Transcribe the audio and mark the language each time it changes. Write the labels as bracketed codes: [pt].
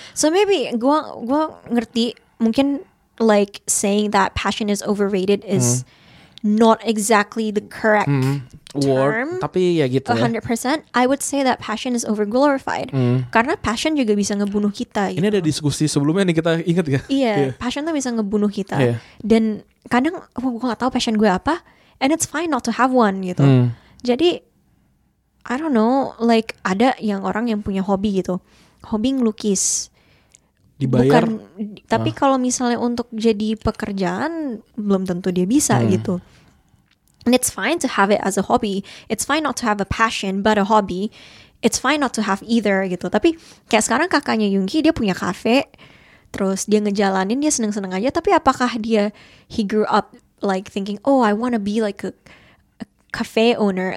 [en] So maybe [id] gue ngerti, mungkin [en] like saying that passion is overrated is not exactly the correct term, [id] tapi ya gitu. 100%, ya. [en] I would say that passion is over glorified. [id] Karena passion juga bisa ngebunuh kita. Ini gitu. Ada diskusi sebelumnya nih, kita ingat gak? Iya, passion tuh bisa ngebunuh kita. Dan kadang gue gak tahu passion gue apa, [en] and it's fine not to have one [id] gitu. Jadi [en] I don't know, like [id] ada yang orang yang punya hobi gitu, hobi ngelukis. Dibayar. Bukan, tapi kalau misalnya untuk jadi pekerjaan, belum tentu dia bisa gitu. [en] And it's fine to have it as a hobby. It's fine not to have a passion, but a hobby. It's fine not to have either [id] gitu. Tapi kayak sekarang kakaknya Yungki, dia punya kafe, terus dia ngejalanin, dia seneng-seneng aja. Tapi apakah dia, [en] he grew up like thinking, oh I wanna be like a cafe owner.